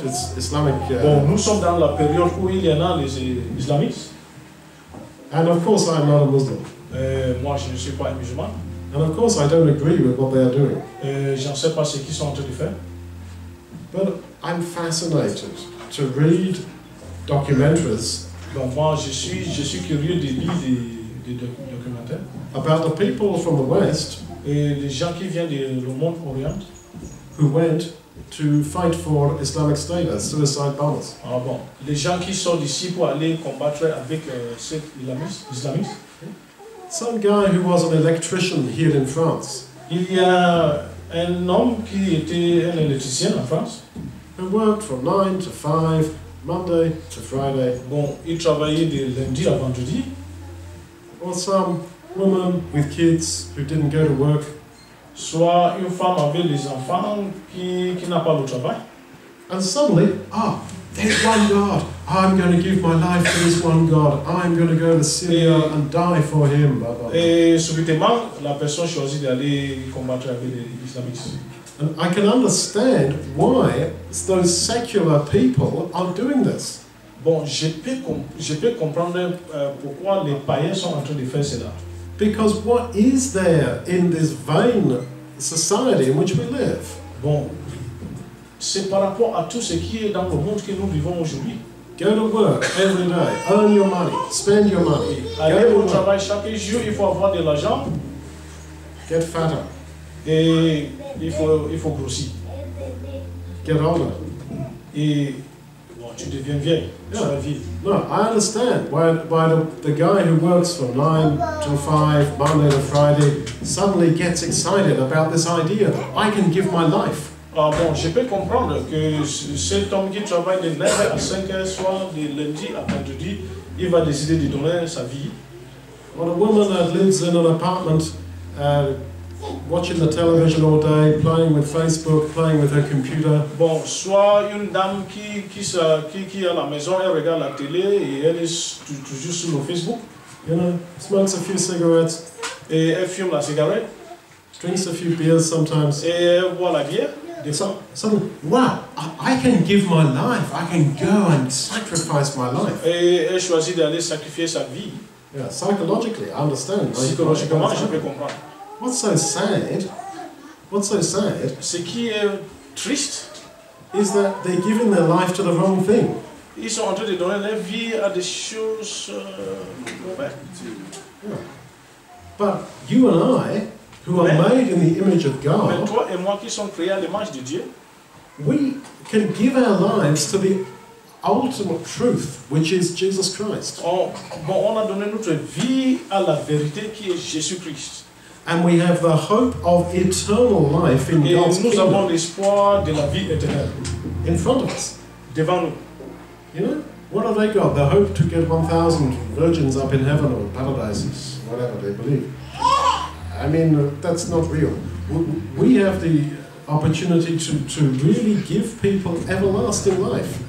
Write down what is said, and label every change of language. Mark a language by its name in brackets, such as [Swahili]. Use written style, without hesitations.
[English] It's Islamic. [French] Bon, nous sommes dans la période où il y en a les islamistes. [English] And of course, I am not a Muslim. [French] Moi, je ne suis pas un musulman. [English] And of course, I don't agree with what they are doing. [French] J'en sais pas ce qu'ils sont en train de faire. [English] But I'm fascinated to read documentaries. [French] Bon, moi, je suis curieux de lire des documentaires. [English] About the people from the West, [French] et les gens qui viennent du monde orient, [English] who went to fight for Islamic State as suicide bombers. [French] Ah bon, les gens qui sont d'ici pour aller combattre avec ces islamistes. [English] Some guy who was an electrician here in France. [French] Il y a un homme qui était un électricien en France. [English] Who worked from 9 to 5, Monday to Friday. [French] Bon, il travaillait de lundi à vendredi. [English] Or some woman with kids who didn't go to work. [French] Soit une femme avec des enfants qui n'a pas le travail. [English] And suddenly, there's one God. I'm going to give my life to this one God. I'm going to go to Syria and die for him. [French] Et subitement, la personne choisit d'aller combattre avec les islamistes. [English] And I can understand why those secular people are doing this. [French] Bon, je peux comprendre pourquoi les païens sont en train de faire cela. [English] Because what is there in this vain society in which we live? [French] Bon, c'est par rapport à tout ce qui est dans le monde que nous vivons aujourd'hui. [English] Go to work every day, earn your money, spend your money. [French] Aller au travail chaque jour, il faut avoir de l'argent. [English] Get fatter. [French] Et il faut grossir. [English] Get older. [French] Et bon, tu deviens vieille. [English] Yeah. No, I understand why the guy who works from 9 to 5, Monday to Friday, suddenly gets excited about this idea that I can give my life. [French] Ah bon, je peux comprendre que cet homme qui travaille de 9 à 5 heures, soit de lundi à vendredi, il va décider de donner sa vie. [English] Well, a woman that lives in an apartment, watching the television all day, playing with Facebook, playing with her computer. [French] Bon, soit une dame qui est à la maison, elle regarde la télé et elle est toujours sur le Facebook. [English] You know, smokes a few cigarettes. [French] Et elle fume la cigarette. [English] Drinks a few beers sometimes. [French] Et elle boit la bière. [English] Suddenly, wow, I can give my life. I can go and sacrifice my life. [French] Elle choisit d'aller sacrifier sa vie. [English] Yeah, psychologically, I understand. [French] Psychologiquement, je peux comprendre. [English] What's so sad? [French] Ce qui est triste [English] is that they're giving their life to the wrong thing. [French] Ils sont en train de donner leur vie à des choses mauvaises. [English] But you and I, who are made in the image of God, [French] mais toi et moi qui sommes créés à l'image de Dieu, [English] we can give our lives to the ultimate truth, which is Jesus Christ. [French] Oh, bon, on a donné notre vie à la vérité qui est Jésus-Christ. [English] and we have the hope of eternal life in [French] et [English] God's [French] nous [English] kingdom. [French] Avons l'espoir de la vie éternelle [English] in front of us. [French] Devant nous. [English] You know, what have they got? The hope to get 1,000 virgins up in heaven or paradise, whatever they believe. I mean, that's not real. We have the opportunity to really give people everlasting life.